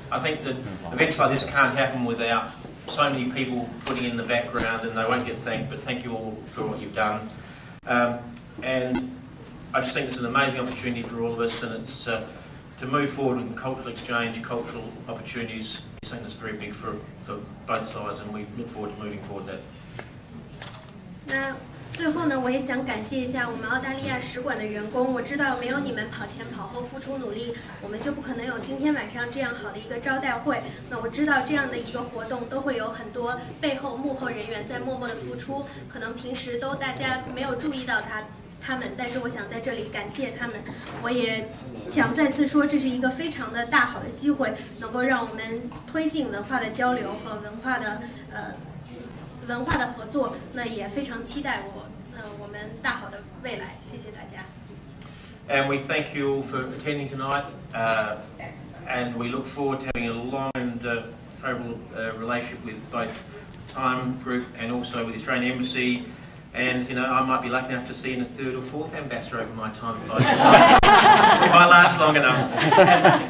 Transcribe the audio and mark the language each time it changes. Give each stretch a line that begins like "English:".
English: I think that events like this can't happen without. So many people putting in the background, and they won't get thanked, but thank you all for what you've done. And I just think this is an amazing opportunity for all of us, and it's to move forward in cultural exchange, cultural opportunities, is something that's very big for both sides, and we look forward to moving forward that.
Chinese: 最后呢，我也想感谢一下我们澳大利亚使馆的员工。我知道没有你们跑前跑后付出努力，我们就不可能有今天晚上这样好的一个招待会。那我知道这样的一个活动都会有很多背后幕后人员在默默的付出，可能平时都大家没有注意到他们，但是我想在这里感谢他们。我也想再次说，这是一个非常的大好的机会，能够让我们推进文化的交流和文化的合作，那也非常期待我们大好的未来。谢谢大家。
English: And we thank you all for attending tonight, and we look forward to having a long and favorable relationship with both Time Group and also with the Australian Embassy. And you know, I might be lucky enough to see in a third or fourth ambassador over my time if I last long enough.